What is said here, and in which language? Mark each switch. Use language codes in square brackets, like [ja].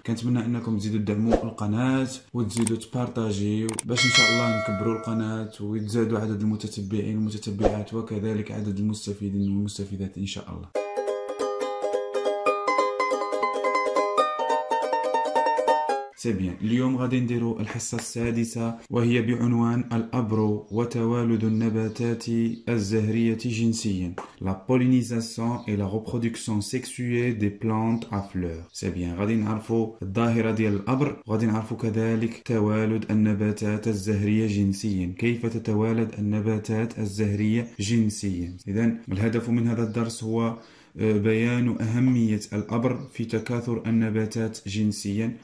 [ar] كنتمنى انكم تزيدوا تدعموا القناة وتزيدوا تبارطاجيو باش ان شاء الله نكبروا القناة ويتزادوا عدد المتتبعين والمتتبعات وكذلك عدد المستفيدين والمستفيدات ان شاء الله. سبيان، اليوم غادي نديرو الحصة السادسة وهي بعنوان الأبر وتوالد النباتات الزهرية جنسيا. [fr] La pollinisation et la reproduction sexuée des plantes à fleurs. [ar] سبيان، غادي نعرفو الظاهرة ديال الأبر وغادي نعرفو كذلك توالد النباتات الزهرية جنسيا، كيف تتوالد النباتات الزهرية جنسيا. إذن الهدف من هذا الدرس هو بيان أهمية الأبر في تكاثر النباتات جنسيا.